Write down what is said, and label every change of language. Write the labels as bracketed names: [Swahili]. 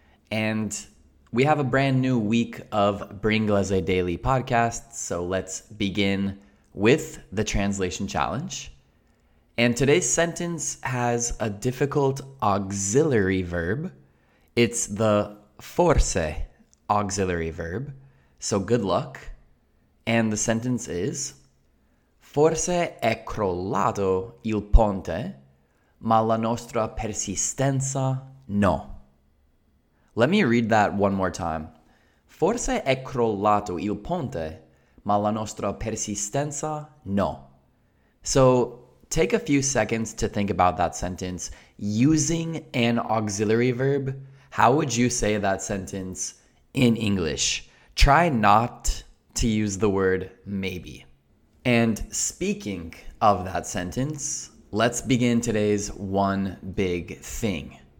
[English] And we have a brand new week of Bringlese Daily podcast. So let's begin with the translation challenge. And today's sentence has a difficult auxiliary verb. It's the forse auxiliary verb. So good luck. And the sentence is, [Italian] forse è crollato il ponte, ma la nostra persistenza no. [English] Let me read that one more time. [Italian] Forse è crollato il ponte, ma la nostra persistenza no. [English] So take a few seconds to think about that sentence. Using an auxiliary verb, how would you say that sentence in English? Try not to use the word maybe. And speaking of that sentence, let's begin today's one big thing.